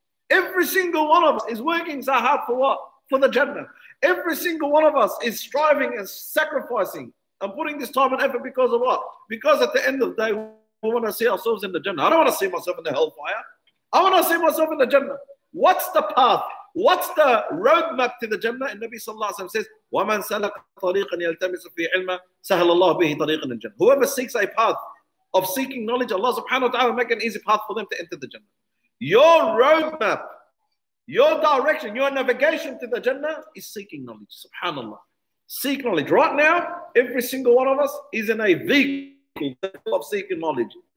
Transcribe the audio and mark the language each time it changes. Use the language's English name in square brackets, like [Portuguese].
[English] Every single one of us is working so hard for what? For the Jannah. Every single one of us is striving and sacrificing and putting this time and effort because of what? Because at the end of the day, we want to see ourselves in the Jannah. I don't want to see myself in the hellfire. I want to see myself in the Jannah. What's the path? What's the roadmap to the Jannah? And Nabi Sallallahu Alaihi Wasallam says, [Arabic] وَمَنْ سَلَكَ طَرِيقًا يَلْتَمِسُ فِي عِلْمًا سَهَلَ اللَّهُ بِهِ طَرِيقًا الْجَنَّةِ. [English] Whoever seeks a path of seeking knowledge, Allah subhanahu wa ta'ala will make an easy path for them to enter the Jannah. Your roadmap, your direction, your navigation to the Jannah is seeking knowledge. Subhanallah. Seek knowledge. Right now, every single one of us is in a vehicle of seeking knowledge.